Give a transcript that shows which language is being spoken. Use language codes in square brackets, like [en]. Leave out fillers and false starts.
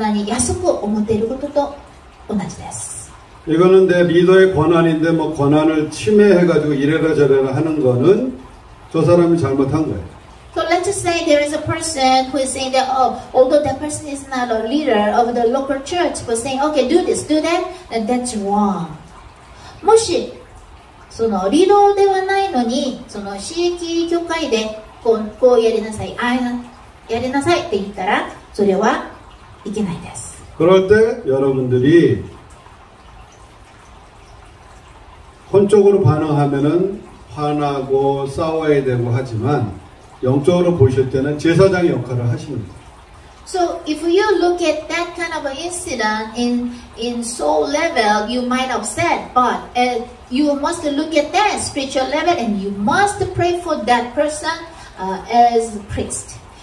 [ja] もちろん私たち全部が本当に神様の前で本当に小さなものでありますけれども、もし神様の人を薄く見てたら、皆さんは神様のことを神様をそんなに安く思っていることと同じです。 [ko] 이거는 내 리더의 권한인데 뭐 권한을 침해해가지고 이래라 저래라 하는 거는 저 사람이 잘못한 거예요. [en] So let's say there is a person who is saying that, oh, although that person is not a leader of the local church, but saying, okay, do this, do that, and that's wrong. [ja] もしそのリードではないのに、その地域教会でこうやりなさい、ああやりなさいって言ったら、それはいけないです。 [ko] 그럴 때 여러분들이 혼적으로 반응하면은 화나고 싸워야 되고 하지만 영적으로 보실 때는 제사장의 역할을 하시는 거예요. [en] So if you look at that kind of incident in soul level, you might upset, but you must look at that spiritual level and you must pray for that person as priest.